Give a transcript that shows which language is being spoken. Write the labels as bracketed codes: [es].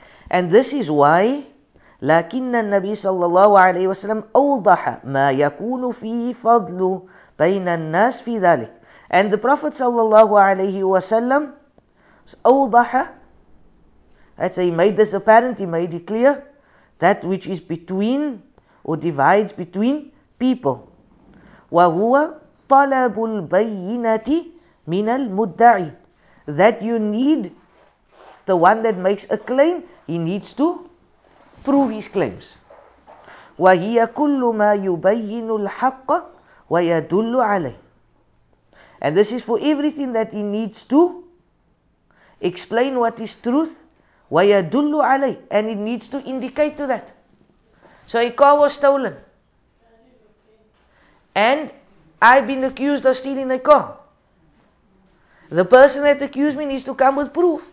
[en] And this is why, [ar] لكن النبي صلى الله عليه وسلم أوضح ما يكون في فضل بين الناس في ذلك. [en] And the Prophet [ar] صلى الله عليه وسلم أوضح, [en] let's say he made this apparent, he made it clear, that which is between or divides between people. [ar] وهو طلب البينة من المدعي. [en] That you need the one that makes a claim, he needs to prove his claims. [ar] وهي كل ما يبين الحق ويدل عليه. [en] And this is for everything that he needs to explain what is truth. [ar] ويدل عليه. [en] And it needs to indicate to that. So a car was stolen. And I've been accused of stealing a car. The person that accused me needs to come with proof.